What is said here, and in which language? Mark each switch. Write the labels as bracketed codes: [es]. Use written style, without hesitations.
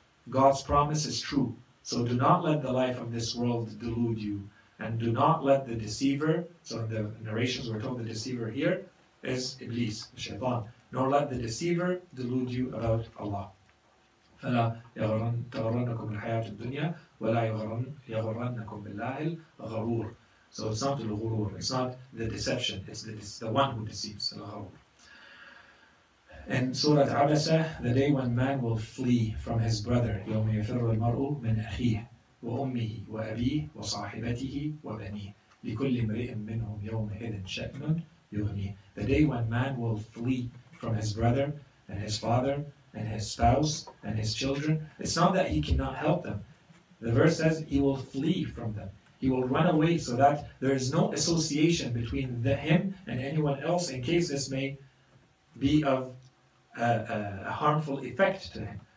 [en] God's promise is true, so do not let the life of this world delude you, and do not let the deceiver, so in the narrations we're told the deceiver here is Iblis, Shaitan, nor let the deceiver delude you about Allah. [ar] فَلَا تَغَرَّنَّكُمْ الْحَيَاةُ الدُّنْيَا وَلَا يَغَرَّنَّكُمْ بِاللَّهِ الْغَرُورِ. [en] So it's not al-ghurur, it's not the deception, it's the one who deceives. And Surah Abasa, the day when man will flee from his brother, [ar] يوم يفر المرء من أخيه وأمه وأبيه وصاحبته وبنيه لكل امرئ منهم يومئذ شأن يغنيه. [en] The day when man will flee from his brother and his father and his spouse and his children, it's not that he cannot help them. The verse says he will flee from them. He will run away so that there is no association between him and anyone else in case this may be of a harmful effect to him.